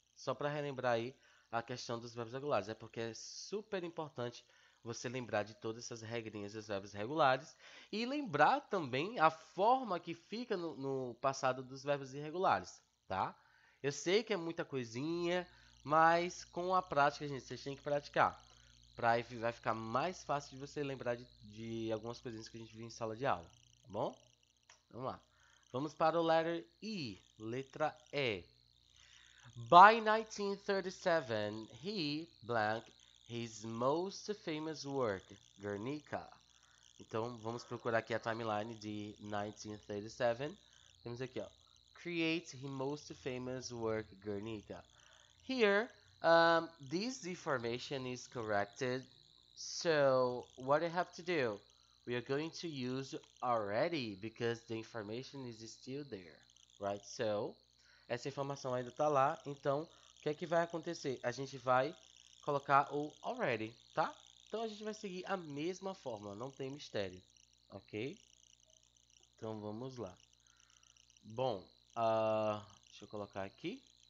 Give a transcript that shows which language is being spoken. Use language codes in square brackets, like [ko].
[pt] Só para relembrar aí a questão dos verbos regulares, é porque é super importante você lembrar de todas essas regrinhas dos verbos regulares e lembrar também a forma que fica no passado dos verbos irregulares, tá? Eu sei que é muita coisinha, mas com a prática, gente, vocês têm que praticar. Vai ficar mais fácil de você lembrar de algumas coisinhas que a gente viu em sala de aula, tá bom? Vamos lá. Vamos para o letter E, letra E. [en] By 1937, he, blank, his most famous work, Guernica. [pt] Então, vamos procurar aqui a timeline de 1937. Temos aqui, ó. [en] Create his most famous work, Guernica. Here, this information is corrected, so what I have to do? We are going to use already, because the information is still there, Right? [pt] So, essa informação ainda está lá. Então, o que é que vai acontecer? A gente vai colocar o already, tá? Então, a gente vai seguir a mesma fórmula. Não tem mistério. Ok? Então, vamos lá. Bom, deixa eu colocar aqui.